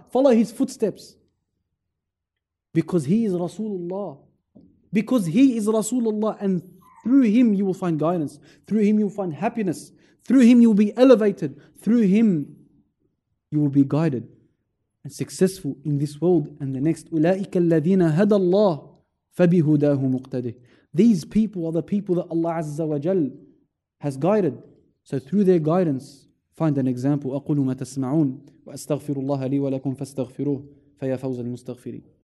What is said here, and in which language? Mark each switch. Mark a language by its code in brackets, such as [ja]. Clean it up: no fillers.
[en] Follow his footsteps. Because he is Rasulullah. Because he is Rasulullah. And through him you will find guidance. Through him you will find happiness. Through him you will be elevated. Through him you will be guided. And successful in this world and the next. [ar] أولئك الذين هدى الله فبهداه مقتده. [en] These people are the people that Allah Azza wa Jal has guided. So through their guidance, find an example. [ar] أقول ما تسمعون وأستغفر الله لي ولكم فاستغفروه فيا فوز المستغفرين.